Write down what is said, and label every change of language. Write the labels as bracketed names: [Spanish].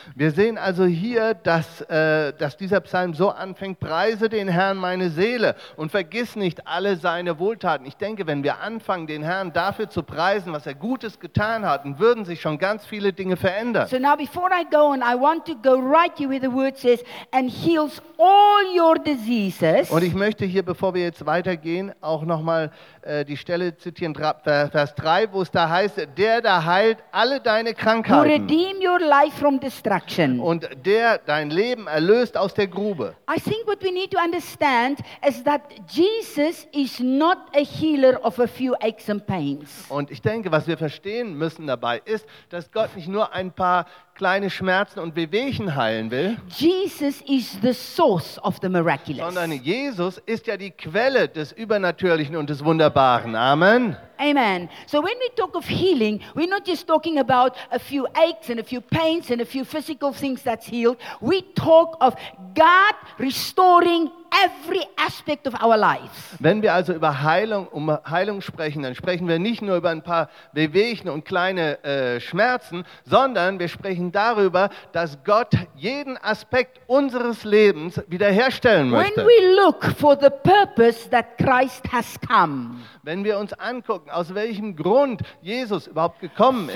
[German] Wir sehen also hier, dass dieser Psalm so anfängt: Preise den Herrn, meine Seele, und vergiss nicht alle seine Wohltaten. Ich denke, wenn wir anfangen, den Herrn dafür zu preisen, was er Gutes getan hat, würden sich schon ganz viele Dinge verändern. [English] So now before I go and I want want to go right here where the word says and heals all your diseases. [German] Und ich möchte hier, bevor wir jetzt weitergehen, auch noch mal die Stelle zitieren, Vers 3, wo es da heißt, der da heilt alle deine Krankheiten. [English] To redeem your life from destruction. [German] Und der dein Leben erlöst aus der Grube. [English] I think what we need to understand is that Jesus is not a healer of a few aches and pains. [German] Und ich denke, was wir verstehen müssen dabei ist, dass Gott nicht nur ein paar kleine Schmerzen und Wehwehchen heilen will. [English] Jesus is the source of the miraculous. [German] Sondern Jesus ist ja die Quelle des Übernatürlichen und des Wunderbaren. [English] Amen. [German] Amen. [English] So when we talk of healing, we're not just talking about a few aches and a few pains and a few physical things that's healed. We talk of God restoring every aspect of our lives. [German] Wenn wir also über Heilung, um Heilung sprechen, dann sprechen wir nicht nur über ein paar Wehwehchen und kleine Schmerzen, sondern wir sprechen darüber, dass Gott jeden Aspekt unseres Lebens wiederherstellen möchte. [English] When we look for the purpose that Christ has come. [German] Wenn wir uns angucken, aus welchem Grund Jesus überhaupt gekommen ist.